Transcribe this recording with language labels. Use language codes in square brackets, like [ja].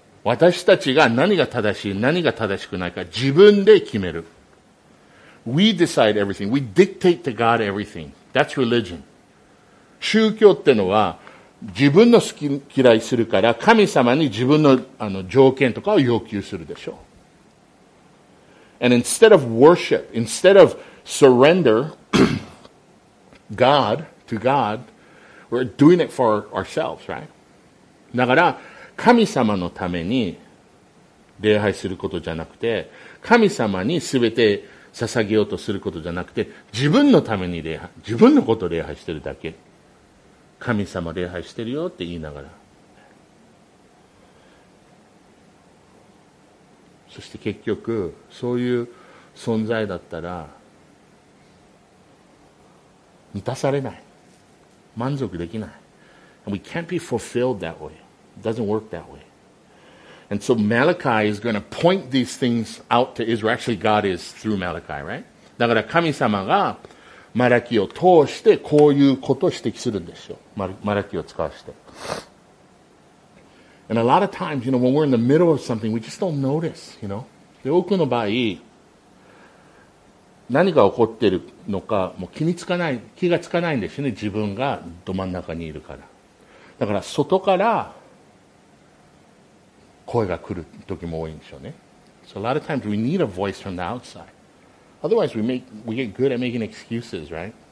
[ja] 私たちが何が正しい、何が正しくないか自分で決める。 [en] We decide everything. We dictate to God everything. That's religion. [ja] 宗教ってのは自分の好き嫌いするから神様に自分の条件とかを要求するでしょう。 [en] And instead of worship, instead of surrender God to God, we're doing it for ourselves, right? [ja] だから神様のために礼拝することじゃなくて、神様にすべて捧げようとすることじゃなくて、自分のために礼拝、自分のことを礼拝してるだけ。神様礼拝してるよって言いながら。そして結局、そういう存在だったら、満たされない。満足できない。 [en] And we can't be fulfilled that way. It doesn't work that way. And so Malachi is going to point these things out to Israel. Actually, God is through Malachi, right? [ja] だから神様がマラキを通してこういうことを指摘するんですよ。マラキを使わせて。 [en] And a lot of times, you know, when we're in the middle of something, we just don't notice, you know. [ja] で、多くの場合、何が起こってるのか、もう気につかない、気がつかないんですよね。自分がど真ん中にいるから。だから外から声が来る時も多いんでしょうね。 [en] So a lot of times we need a voice from the outside. Otherwise we get good at making excuses, right?